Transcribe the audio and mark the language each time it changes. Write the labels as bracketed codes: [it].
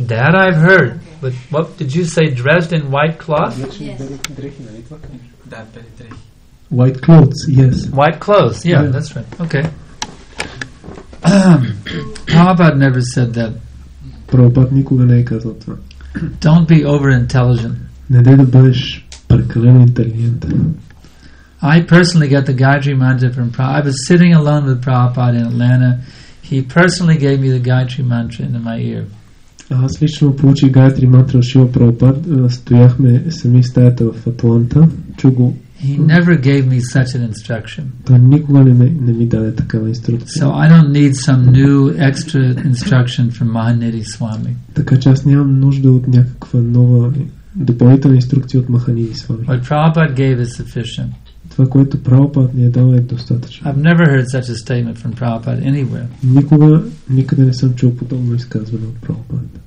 [en] That I've heard. Okay. But what did you say? Dressed in white cloth? Yes. White clothes, yes. White clothes, yeah, yeah. That's right. Okay. Prabhupada never said that. [bg] Prabhupada nikoga ne kazao to. [en] Don't be over intelligent. [bg] Не дай да бъдеш прекалено интелигентен. [en] I personally got the Gayatri Mantra from Prabhupada. I was sitting alone with Prabhupada in Atlanta. He personally gave me the Gayatri Mantra into my ear. [bg] Аз лично получих Gayatri Mantra от Шрила Прабхупада. Стояхме сами в стаята в Атланта. Чух го. [en] He never gave me such an instruction. [bg] Той никога не ми даде такава инструкция. [en] So I don't need some new extra instruction from Mahanidhi Swami. [bg] Така че аз нямам нужда от някаква нова допълнителна инструкция от Mahanidhi Swami. [en] What Prabhupada gave is sufficient. [bg] Това, което Прабхупада ни е дал, е достатъчно. [en] I've never heard such a statement from Prabhupada anywhere. [bg] Никога, никъде не съм чул подобно изказване от Прабхупада.